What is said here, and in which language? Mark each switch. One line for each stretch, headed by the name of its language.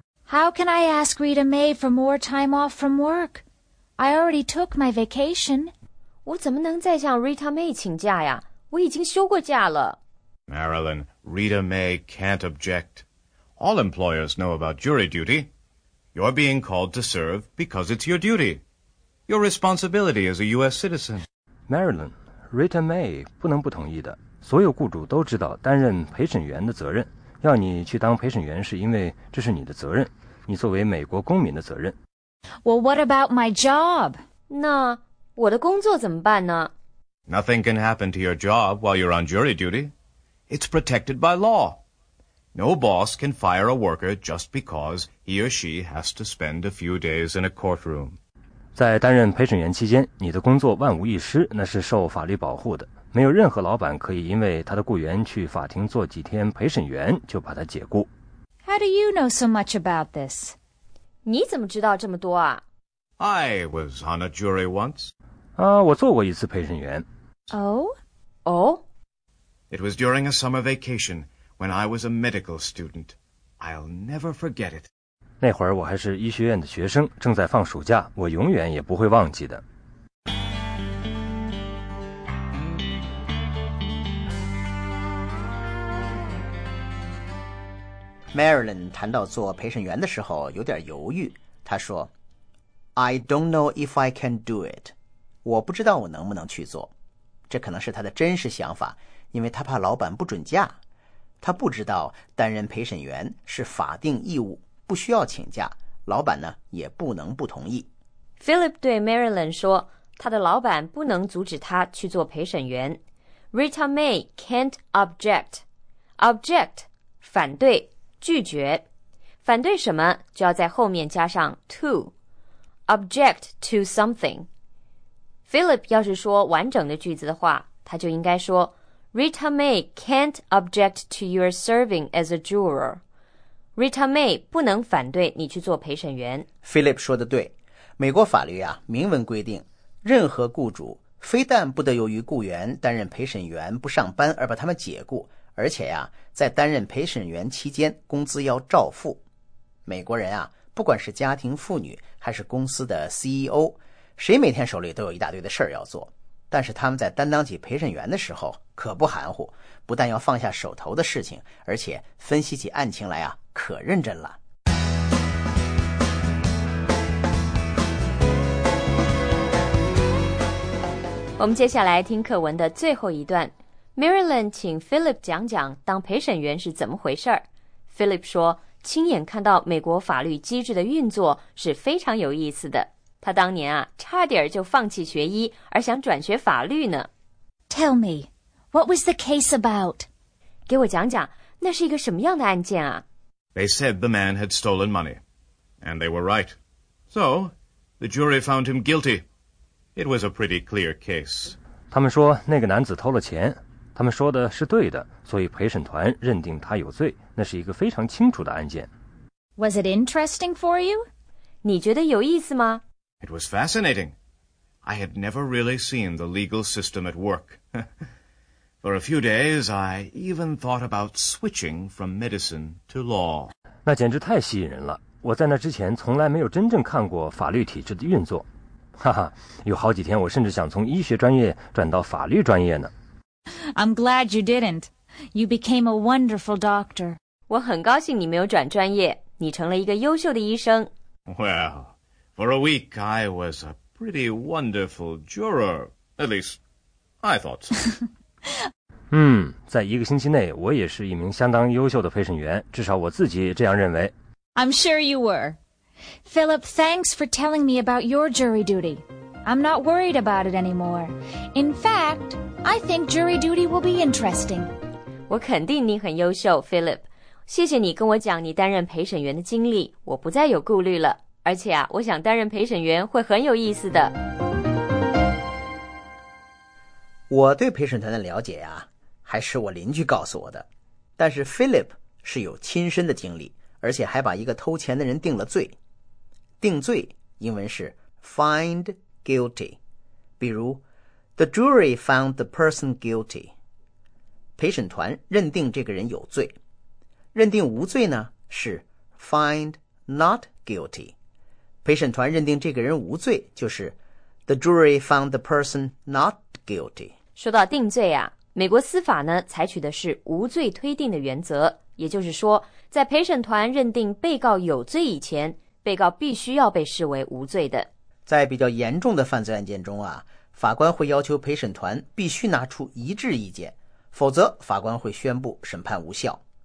English: How can I ask Rita Mae for more time off from work? I already took my vacation.
Chinese: 我怎么能再向 Rita Mae 请假呀？我已经休过假了。
English: Marilyn, Rita Mae can't object. All employers know about jury duty. You're being called to serve because it's your duty. Your responsibility as a U.S. citizen.
Chinese: Marilyn, Rita Mae 不能不同意的。所有雇主都知道担任陪审员的责任。要你去当陪审员是因为这是你的责任，你作为美国公民的责任。
English: Well, what about my job?
Chinese: 那我的工作怎么办呢？
English: Nothing can happen to your job while you're on jury duty. It's protected by law. No boss can fire a worker just because he or she has to spend a few days in a courtroom.
Chinese: 在担任陪审员期间，你的工作万无一失，那是受法律保护的。没有任何老板可以因为他的雇员去法庭做几天陪审员就把他解雇。
English: How do you know so much about this?
Chinese: 你怎么知道这么多啊？
English: I was on a jury once.
Chinese: 我做过一次陪审员。 Oh? Oh?
English: It was during a summer vacation when I was a medical student. I'll never forget it.
Chinese: 那会儿我还是医学院的学生，正在放暑假，我永远也不会忘记的。 Marilyn 谈到做陪审员的时候有点犹豫，她说
English: I don't know if I can do it.
Chinese: 我不知道我能不能去做。这可能是她的真实想法，因为她怕老板不准假。她不知道担任陪审员是法定义务，不需要请假，老板呢也不能不同意。 Philip 对 Marilyn 说，他的老板不能阻止他去做陪审员。
English: Rita May can't object. Object,
Chinese: 反对，拒绝。反对什么就要在后面加上 to.
English: Object to something.
Chinese: Philip 要是说完整的句子的话，他就应该说
English: Rita May can't object to your serving as a juror.
Chinese: Rita May 不能反对你去做陪审员。 Philip 说的对，美国法律啊，明文规定，任何雇主非但不得由于雇员担任陪审员不上班而把他们解雇，而且啊，在担任陪审员期间工资要照付。美国人啊，不管是家庭妇女还是公司的 CEO， 谁每天手里都有一大堆的事儿要做，但是他们在担当起陪审员的时候可不含糊，不但要放下手头的事情，而且分析起案情来啊，可认真了。我们接下来听课文的最后一段， Marilyn 请 Philip 讲讲当陪审员是怎么回事。 Philip 说，亲眼看到美国法律机制的运作是非常有意思的，他当年啊，差点就放弃学医而想转学法律呢。
English: Tell me, what was the case about?
Chinese: 给我讲讲，那是一个什么样的案件啊？
English: They said the man had stolen money, and they were right. So, the jury found him guilty. It was a pretty clear case.
Chinese: 他们说那个男子偷了钱，他们说的是对的，所以陪审团认定他有罪，那是一个非常清楚的案件。
English: Was it interesting for you?
Chinese: 你觉得有意思吗？
English: It was fascinating. I had never really seen the legal system at work. For a few days, I even thought about switching from medicine to law.
Chinese: 那简直太吸引人了。我在那之前从来没有真正看过法律体制的运作。哈哈，有好几天我甚至想从医学专业转到法律专业呢。
English: I'm glad you didn't. You became a wonderful doctor.
Chinese: 我很高兴你没有转专业，你成了一个优秀的医生。 Well...
English: For a week, I was a pretty wonderful juror. At least, I thought so.
Chinese: 在一个星期内，我也是一名相当优秀的陪审员，至少我自己这样认为。
English: I'm sure you were. Philip, thanks for telling me about your jury duty. I'm not worried about it anymore. In fact, I think jury duty will be interesting.
Chinese: 我肯定你很优秀，Philip。谢谢你跟我讲你担任陪审员的经历，我不再有顾虑了。而且啊，我想担任陪审员会很有意思的。我对陪审团的了解啊，还是我邻居告诉我的。但是 Philip 是有亲身的经历，而且还把一个偷钱的人定了罪。定罪英文是
English: find guilty，
Chinese: 比如
English: the jury found the person guilty，
Chinese: 陪审团认定这个人有罪。认定无罪呢，是
English: find not guilty。
Chinese: 陪审团认定这个人无罪，就是
English: The jury found the person not guilty.
Chinese: 说到定罪啊，美国司法呢，采取的是无罪推定的原则，也就是说，在陪审团认定被告有罪以前，被告必须要被视为无罪的。在比较严重的犯罪案件中啊，法官会要求陪审团必须拿出一致意见，否则法官会宣布审判无效。